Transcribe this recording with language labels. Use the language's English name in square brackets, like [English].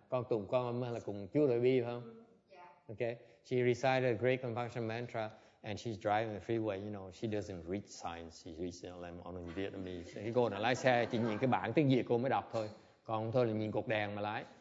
[Vietnamese] Con tùng Quan Âm là cùng chú đại bi phải không? [English] Okay, she recited a great compassion mantra, and she's driving the freeway. You know, she doesn't read signs. She reads them on in Vietnamese. [Vietnamese] Cô nào lái xe chỉ nhìn cái bảng tiếng Việt cô mới đọc thôi. Còn thôi là nhìn cột đèn mà lái.